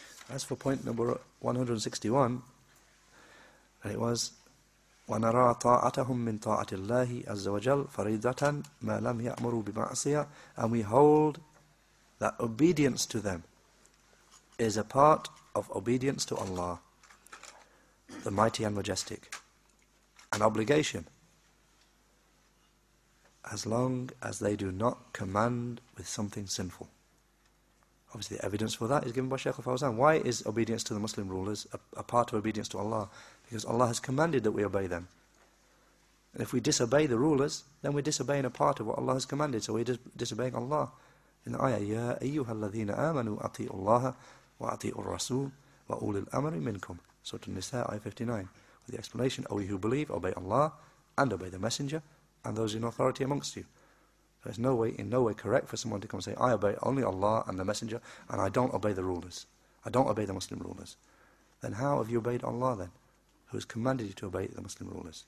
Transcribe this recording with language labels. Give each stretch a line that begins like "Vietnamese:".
English: As for point number 161, it was
Arabic: وَنَرَى طَاعَتَهُمْ مِنْ طَاعَةِ اللَّهِ عَزَّ وَجَلَّ فَرِيدَةً مَا لَمْ يَأْمُرُوا بِمَعْصِيَةٍ.
English: And we hold that obedience to them is a part of obedience to Allah, the Mighty and Majestic, an obligation, as long as they do not command with something sinful. Obviously, the evidence for that is given by Shaykh al-Fawzan. Why is obedience to the Muslim rulers a part of obedience to Allah? Because Allah has commanded that we obey them. And if we disobey the rulers, then we're disobeying a part of what Allah has commanded. So we're disobeying Allah. In the ayah,
Arabic: يَا أَيُّهَا الَّذِينَ آمَنُوا أَطِيعُوا اللَّهَ وَأَطِيعُوا الرَّسُولَ وَأُولِي الْأَمْرِ مِنْكُمْ.
English: Surah An-Nisa, ayah 59. With the explanation, O ye who believe, obey Allah, and obey the Messenger, and those in authority amongst you. So it's in no way correct for someone to come and say, I obey only Allah and the Messenger, and I don't obey the rulers. I don't obey the Muslim rulers. Then how have you obeyed Allah then, who has commanded you to obey the Muslim rulers?